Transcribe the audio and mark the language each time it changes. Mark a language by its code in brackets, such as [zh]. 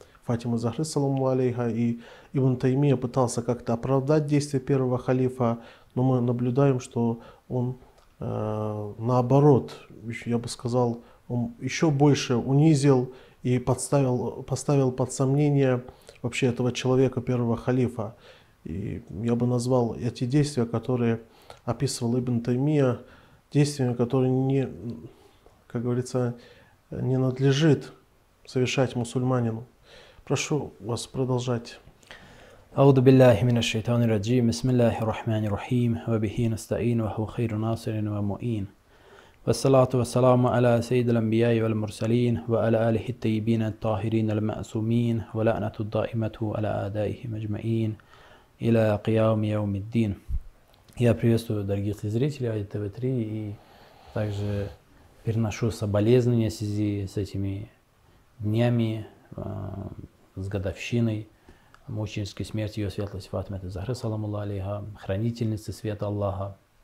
[ru] Фатима Захры, саламу алейха, и Ибн Таймия пытался как-то оправдать действия первого халифа, но мы наблюдаем, что он наоборот, я бы сказал, он еще больше унизил и поставил под сомнение вообще этого человека, первого халифа. И я бы назвал эти действия, которые описывал Ибн Таймия, действиями, которые не, как говорится, не надлежит совершать мусульманину. Прошу вас продолжать. [ar] أعوذ بالله من الشيطان الرجيم بسم الله الرحمن الرحيم وبه نستعين وهو خير ناصر ومؤين والصلاة والسلام على سيد الأنبياء والمرسلين وعلى آله الطيبين الطاهرين المعصومين ولعنة الدائمة على أعدائه أجمعين إلى قيام يوم الدين. [ru] Я приветствую дорогих зрителей Айт ТВ 3 и также переношу соболезнования в связи с этими днями. С годовщиной мученической смерти ее светлости Фатимы Захры саламуллаху алейха, хранительницы света Аллаха.